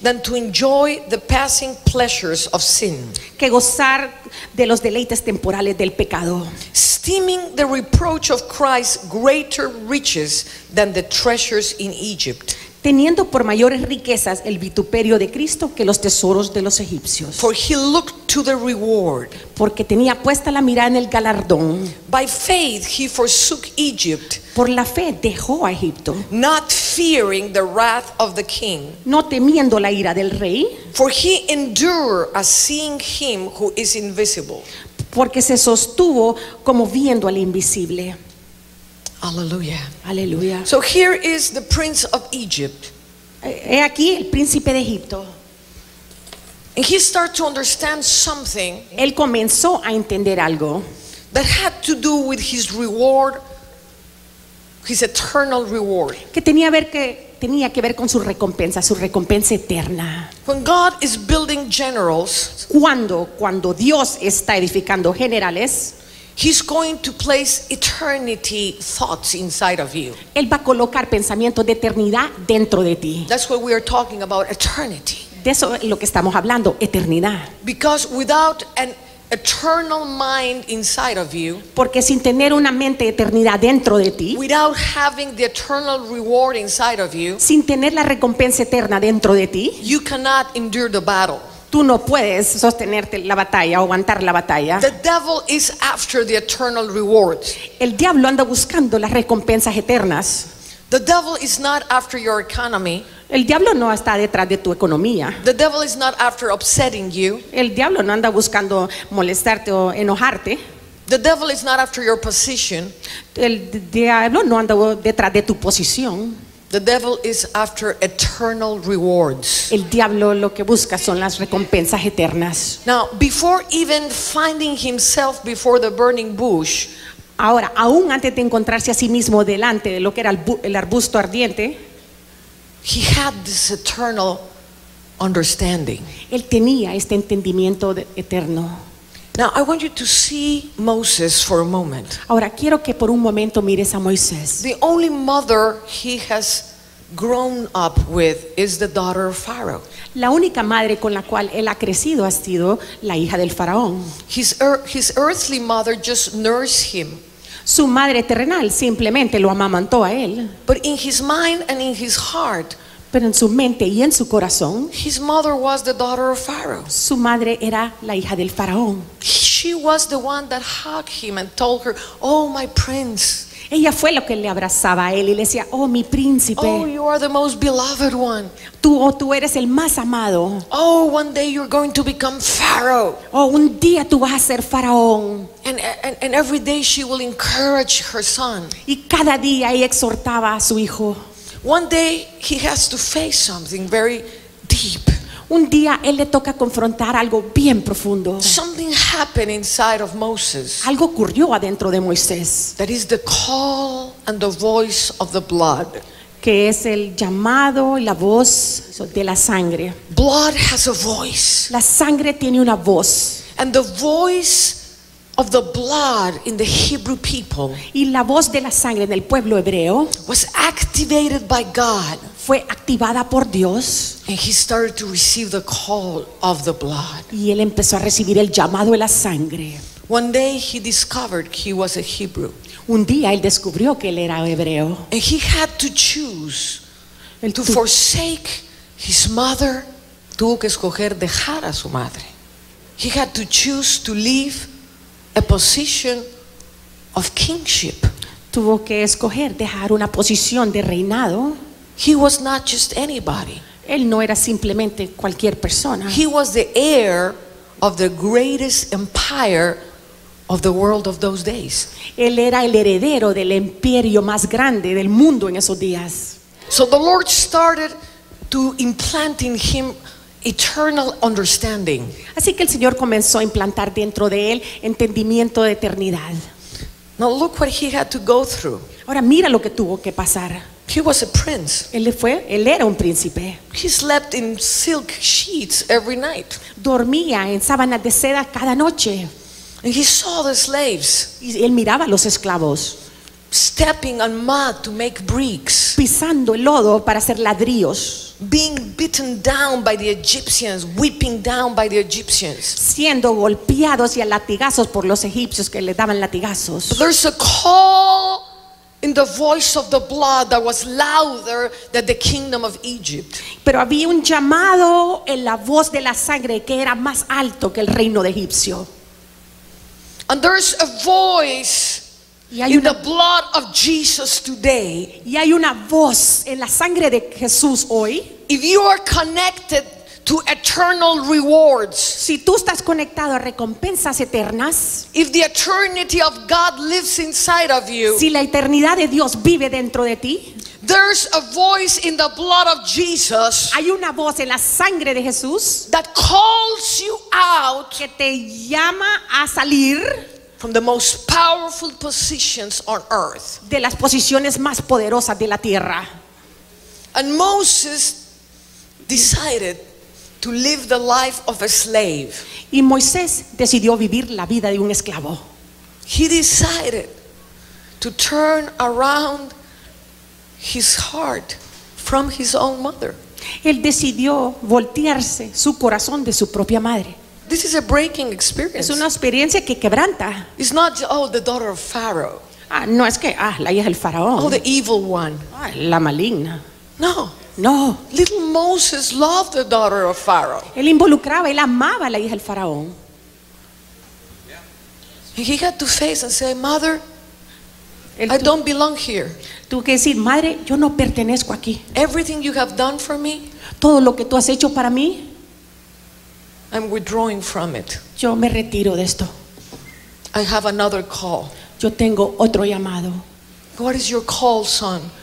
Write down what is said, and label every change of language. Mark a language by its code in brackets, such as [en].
[en] than to enjoy the passing pleasures of sin, [es] que gozar de los deleites temporales del pecado, [en] esteeming the reproach of Christ greater riches than the treasures in Egypt, [es] teniendo por mayores riquezas el vituperio de Cristo que los tesoros de los egipcios. [en] For he looked to the reward. [es] Porque tenía puesta la mirada en el galardón. [en] By faith he forsook Egypt. [es] Por la fe dejó a Egipto. [en] Not fearing the wrath of the king. [es] No temiendo la ira del rey. [en] For he endured as seeing him who is invisible. [es] Porque se sostuvo como viendo al invisible. Aleluya. Aleluya. [en] So here is the prince of Egypt. [es] He aquí el príncipe de Egipto. [en] And he started to understand something. [es] Él comenzó a entender algo. [en] That had to do with his reward, his eternal reward. [es] Que tenía que ver con su recompensa eterna. [en] When God is building generals, [es] cuando Dios está edificando generales, [en] He's going to place eternity thoughts inside of you. [es] Él va a colocar pensamientos de eternidad dentro de ti. [en] That's what we are talking about, eternity. [es] De eso es lo que estamos hablando, eternidad. [en] Because without an eternal mind inside of you, [es] porque sin tener una mente eternidad dentro de ti, [en] without having the eternal reward inside of you, [es] sin tener la recompensa eterna dentro de ti, [en] you cannot endure the battle. [es] Tú no puedes sostenerte la batalla, aguantar la batalla. [en] The devil is after the eternal rewards. [es] El diablo anda buscando las recompensas eternas. [en] The devil is not after your economy. [es] El diablo no está detrás de tu economía. [en] The devil is not after upsetting you. [es] El diablo no anda buscando molestarte o enojarte. [en] The devil is not after your position. [es] El diablo no anda detrás de tu posición. [en] The devil is after eternal rewards. [es] El diablo lo que busca son las recompensas eternas. [en] Now, before even finding himself before the burning bush, [es] ahora, aún antes de encontrarse a sí mismo delante de lo que era el arbusto ardiente, [en] he had this eternal understanding. [es] Él tenía este entendimiento eterno. [en] Now I want you to see Moses for a moment. [es] Ahora quiero que por un momento mires a Moisés. [en] The only mother he has grown up with is the daughter of Pharaoh. [es] La única madre con la cual él ha crecido ha sido la hija del faraón. [en] His earthly mother just nursed him. [es] Su madre terrenal simplemente lo amamantó a él. [en] But in his mind and in his heart, [es] pero en su mente y en su corazón, [en] his mother was the daughter of Pharaoh. [es] Su madre era la hija del faraón. [en] She was the one that hugged him and told her, "Oh, my prince." [es] Ella fue la que le abrazaba a él y le decía, "Oh, mi príncipe." [en] "Oh, you are the most beloved one." [es] Tú eres el más amado. [en] "Oh, one day you're going to become Pharaoh." [es] Oh, un día tú vas a ser faraón. [en] And every day she will encourage her son. [es] Y cada día ella exhortaba a su hijo. [en] One day he has to face something very deep. [es] Un día él le toca confrontar algo bien profundo. [en] Something happened inside of Moses. [es] Algo ocurrió adentro de Moisés. [en] That is the call and the voice of the blood. [es] Que es el llamado y la voz de la sangre. [en] Blood has a voice. [es] La sangre tiene una voz. [en] And the voice of the blood in the Hebrew people. [es] Y la voz de la sangre en el pueblo hebreo [en] was activated by God. [es] Fue activada por Dios. [en] And he started to receive the call of the blood. [es] Y él empezó a recibir el llamado de la sangre. [en] One day he discovered he was a Hebrew. [es] Un día él descubrió que él era hebreo. [en] And he had to choose to forsake his mother. [es] Tuvo que escoger dejar a su madre. [en] He had to choose to leave a position of kingship. [es] Tuvo que escoger dejar una posición de reinado. [en] He was not just anybody. [es] Él no era simplemente cualquier persona. [en] He was the heir of the greatest empire of the world of those days. [es] Él era el heredero del imperio más grande del mundo en esos días. [en] So the Lord started to implant in him eternal understanding. [es] Así que el Señor comenzó a implantar dentro de él entendimiento de eternidad. [en] Now look what he had to go through. [es] Ahora mira lo que tuvo que pasar. [en] He was a prince. [es] Él era un príncipe. [en] He slept in silk sheets every night. [es] Dormía en sábanas de seda cada noche. [en] And he saw the slaves. [es] Y él miraba a los esclavos. [en] Stepping on mud to make bricks. [es] Pisando el lodo para hacer ladrillos. [en] Being beaten down by the Egyptians, whipping down by the Egyptians. [es] Siendo golpeados y a latigazos por los egipcios que le daban latigazos. [en] But there's a call in in the voice of the blood that was louder than the kingdom of Egypt. [es] Pero había un llamado en la voz de la sangre que era más alto que el reino de Egipcio. [en] And there's a voice in the blood of Jesus today. [es] Y hay una voz en la sangre de Jesús hoy. [en] If you are connected to eternal rewards. [es] Si tú estás conectado a recompensas eternas. [en] If the eternity of God lives inside of you. [es] Si la eternidad de Dios vive dentro de ti. [en] There's a voice in the blood of Jesus. [es] Hay una voz en la sangre de Jesús. [en] That calls you out. [es] Que te llama a salir. [en] From the most powerful positions on earth. [es] De las posiciones más poderosas de la tierra. [en] And Moses decided to live the life of a slave. [es] Y Moisés decidió vivir la vida de un esclavo. [en] He decided to turn around his heart from his own mother. [es] Él decidió voltearse su corazón de su propia madre. [en] This is a breaking experience. [es] Es una experiencia que quebranta. [en] It's not the daughter of Pharaoh. [es] Ah, no es que la hija del faraón. [en] Oh, the evil one. [es] Ah, la maligna. [en] No. Little Moses loved the daughter of Pharaoh. [es] Él involucraba, él amaba a la hija del faraón. [en] And he had to face and say, "Mother, I don't belong here." [es] Tuvo que decir, madre, yo no pertenezco aquí. [en] Everything you have done for me. [es] Todo lo que tú has hecho para mí. [en] I'm withdrawing from it. [es] Yo me retiro de esto. [en] I have another call. [es] Yo tengo otro llamado. [en] What is your call, son?